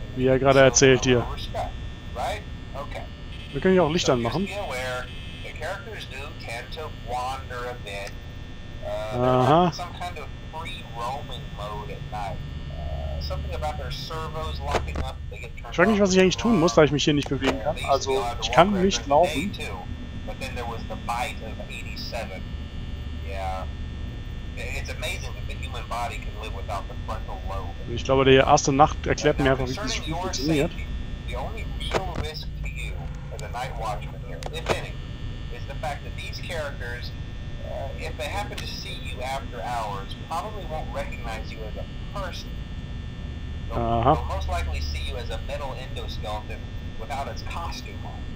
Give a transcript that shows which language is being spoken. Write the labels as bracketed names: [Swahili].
[German] Wie er gerade erzählt hier. [English] Right? Okay. [German] Wir können hier auch Licht anmachen. [English] Characters do tend to wander a bit. Some kind of free roaming mode at night. Something about their servos locking up, they get turned. [German] Ich frage mich, was ich eigentlich tun muss, da ich mich hier nicht bewegen kann. Also, ich kann nicht laufen. [English] But then there was the bite of 87. Yeah. It's amazing that the human body can live without the frontal lobe. [German] Ich glaube, der erste Nacht erklärt mir einfach, wie dieses Spiel funktioniert. [English] The only real risk to you as a night watchman here, if any, is the fact that these characters, if they happen to see you after hours, probably won't recognize you as a person. They'll most likely see you as a metal endoskeleton without its costume on.